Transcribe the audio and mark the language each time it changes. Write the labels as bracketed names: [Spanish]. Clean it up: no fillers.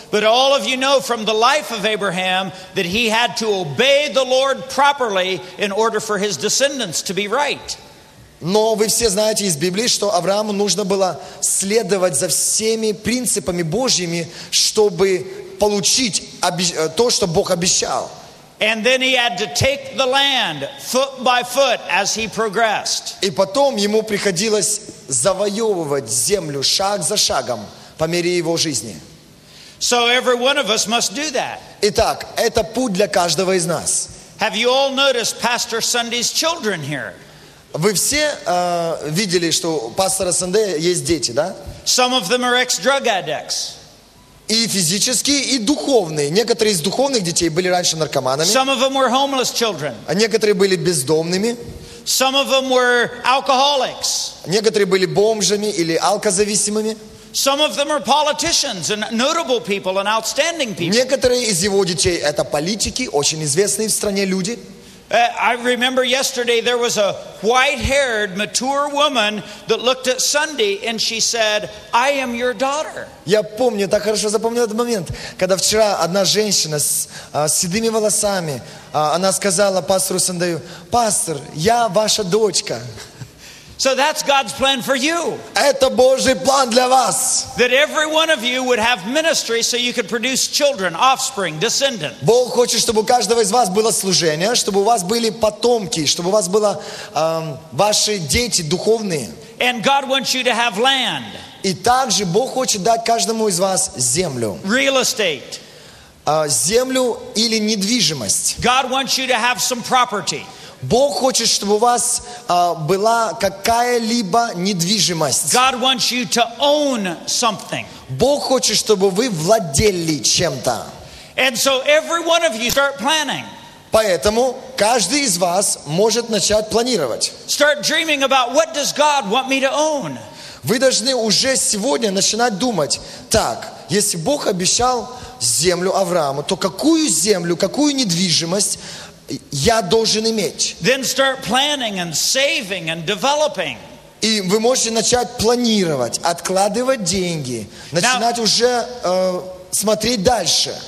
[English] But all of you know from the life of Abraham that he had to obey the Lord properly in order for his descendants to be right. [Russian] Но вы все знаете из Библии, что Аврааму нужно было следовать за всеми принципами Божьими, чтобы получить то, что Бог обещал. [English] And then he had to take the land foot by foot as he progressed. [Russian] И потом ему приходилось завоевывать землю шаг за шагом по мере его жизни. [English] So every one of us must do that. [Russian] Итак, это путь для каждого из нас. [English] Have you all noticed Pastor Sunday's children here? [Russian] Вы все видели, что у пастора Сандея есть дети, да? [English] Some of them are ex-drug addicts. [Russian] И физические, и духовные. Некоторые из духовных детей были раньше наркоманами. [English] Some of them were homeless children. [Russian] А некоторые были бездомными. [English] Some of them were alcoholics. [Russian] Некоторые были бомжами или алкозависимыми. [English] Some of them are politicians and notable people and outstanding people. [Russian] Некоторые из его детей это политики, очень известные в стране люди. [English] I remember yesterday there was a white-haired, mature woman that looked at Sunday and she said, "I am your daughter." [Russian] Я помню, так хорошо запомнил этот момент, когда вчера одна женщина с седыми волосами, она сказала пастору Сандею, "Пастор, я ваша дочка." [English] So that's God's plan for you. [Russian] Это Божий план для вас. [English] That every one of you would have ministry so you could produce children, offspring, descendants. [Russian] Бог хочет, чтобы у каждого из вас было служение, чтобы у вас были потомки, чтобы у вас было ваши дети духовные. [English] And God wants you to have land. [Russian] И также Бог хочет дать каждому из вас землю. [English] Real estate. [Russian] Землю или недвижимость. [English] God wants you to have some property. [Russian] Бог хочет, чтобы у вас была какая-либо недвижимость. [English] God wants you to own something. [Russian] Бог хочет, чтобы вы владели чем-то. [English] And so every one of you start planning. [Russian] Поэтому каждый из вас может начать планировать. [English] Start dreaming about what does God want me to own. [Russian] Вы должны уже сегодня начинать думать, так, если Бог обещал землю Аврааму, то какую землю, какую недвижимость я должен иметь. [English] Then start planning and saving and developing. [Russian] И вы можете начать планировать, откладывать деньги, начинать [English] now, [Russian] уже смотреть дальше.